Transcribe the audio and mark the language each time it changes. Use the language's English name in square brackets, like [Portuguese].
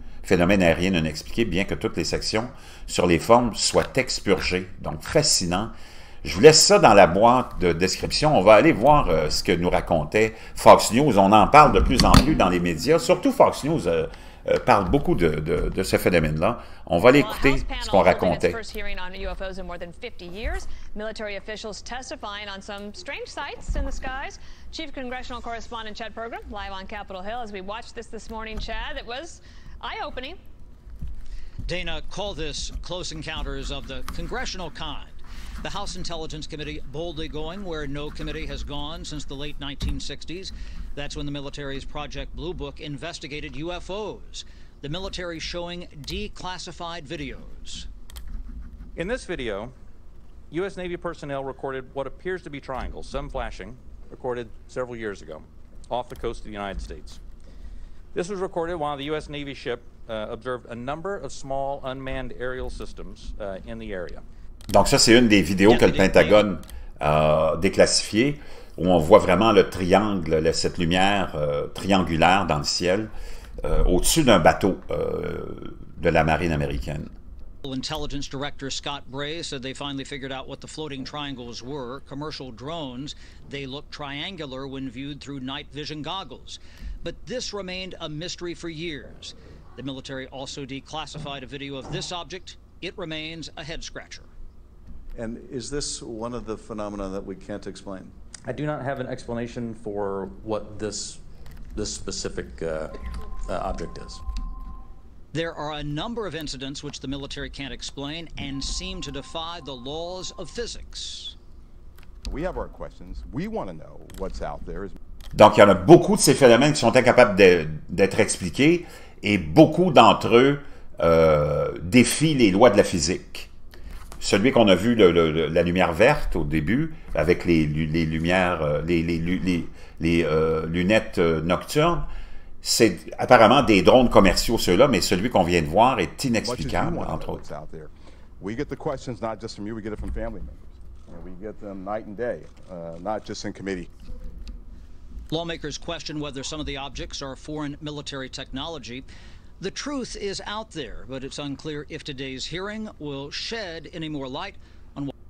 [French] phénomène aérien non expliqué, bien que toutes les sections sur les formes soient expurgées. Donc, fascinant. Je vous laisse ça dans la boîte de description. On va aller voir ce que nous racontait Fox News. On en parle de plus en plus dans les médias. Surtout Fox News parle beaucoup de ce phénomène-là. On va aller écouter ce qu'on racontait. [English] First hearing on UFOs in more than 50 years. Military officials testifying on some strange sights in the skies. Chief Congressional Correspondent Chad Pergram, live on Capitol Hill. As we watched this morning, Chad, it was eye-opening. Dana, call this close encounters of the congressional kind. The House Intelligence Committee boldly going where no committee has gone since the late 1960s. That's when the military's Project Blue Book investigated UFOs. The military showing declassified videos. In this video, U.S. Navy personnel recorded what appears to be triangles, some flashing, recorded several years ago off the coast of the United States. This was recorded while the U.S. Navy ship observed a number of small unmanned aerial systems in the area. [French] Donc ça, c'est une des vidéos que le Pentagone a déclassifiées, où on voit vraiment le triangle, cette lumière triangulaire dans le ciel, au-dessus d'un bateau de la marine américaine. [English] Intelligence Director Scott Bray said they finally figured out what the floating triangles were. Commercial drones, they look triangular when viewed through night vision goggles. But this remained a mystery for years. The military also declassified a video of this object. It remains a head scratcher. And is this one of the phenomena that we can't explain? I do not have an explanation for what this specific object is. There are a number of incidents which the military can't explain and seem to defy the laws of physics. We have our questions. We want to know what's out there. [French] Donc, il y en a beaucoup de ces phénomènes qui sont incapables d'être expliqués et beaucoup d'entre eux défient les lois de la physique. Celui qu'on a vu, la lumière verte au début, avec lunettes nocturnes, c'est apparemment des drones commerciaux, ceux-là, mais celui qu'on vient de voir est inexplicable, entre autres. [English] We get the questions not just from you, we get it from family members. We get them night and day, not just in committee. Lawmakers question whether some of the objects are foreign military technology. The truth is out there, but it's unclear if today's hearing will shed any more light on what...